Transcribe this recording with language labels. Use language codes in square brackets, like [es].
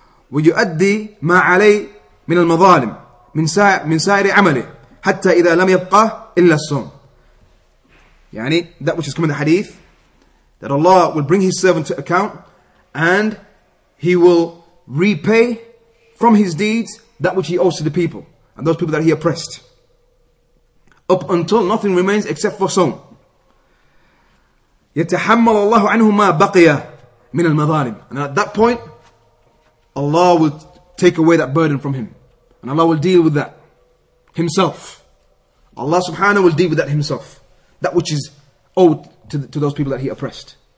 [ar] وَيُؤَدِّي مَا عَلَيْهِ مِنَ الْمَظَالِمِ مِنْ سَائِرِ عَمَلِهِ حتى إذا لم يبقى إلا الصوم. [en] يعني, that which has come in the hadith, that Allah will bring his servant to account, and he will repay from his deeds that which he owes to the people and those people that he oppressed, up until nothing remains except for صوم. [ar] يتحمل الله عنه ما بقي من المظالم. [en] And at that point, Allah will take away that burden from him, and Allah will deal with that himself. Allah subhanahu wa ta'ala will deal with that himself, that which is owed to those people that he oppressed.